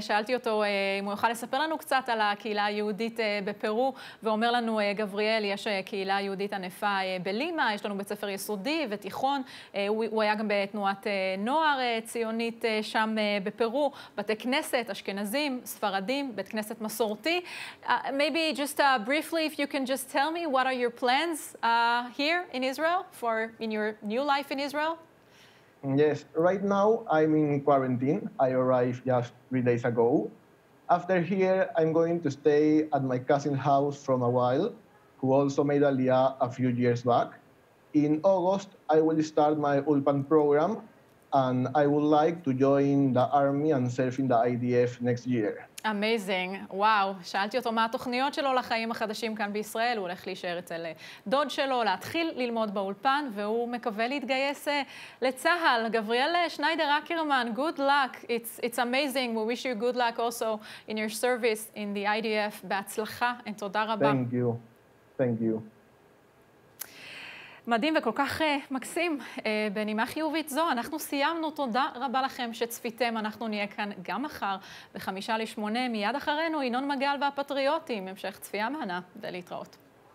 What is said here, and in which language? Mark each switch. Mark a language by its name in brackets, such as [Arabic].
[Hebrew] שאלתי אותו אם הוא יוכל לספר לנו קצת על הקהילה היהודית בפרו, ואומר לנו, גבריאל, יש קהילה יהודית ענפה בלימה, יש לנו בית ספר יסודי ותיכון, הוא היה גם בתנועת נוער ציונית שם בפרו, בתי כנסת, אשכנזים, ספרדים, בית כנסת מסורתי. [English] Maybe just briefly, if you can just tell me, what are your plans here in Israel, in your new life in Israel? Yes, right now I'm in quarantine. I arrived just 3 days ago. After here, I'm going to stay at my cousin's house for a while, who also made Aliyah a few years back. In August, I will start my Ulpan program, and I would like to join the army and serve in the IDF next year. Amazing. וואו. [Hebrew] שאלתי אותו מה התוכניות שלו לחיים החדשים כאן בישראל. הוא הולך להישאר אצל דוד שלו, להתחיל ללמוד באולפן, והוא מקווה להתגייס לצהל. גבריאל שניידר אקרמן, [English] good luck. It's amazing. We wish you good luck also in your service in the IDF. [Hebrew] בהצלחה. And תודה רבה. [English] Thank you. Thank you. [Hebrew] מדהים וכל כך מקסים, בנימה חיובית זו, אנחנו סיימנו, תודה רבה לכם שצפיתם, אנחנו נהיה כאן גם מחר, ב-5:00 ל-8:00, מיד אחרינו, ינון מגל והפטריוטים, המשך צפייה מהנה, ולהתראות.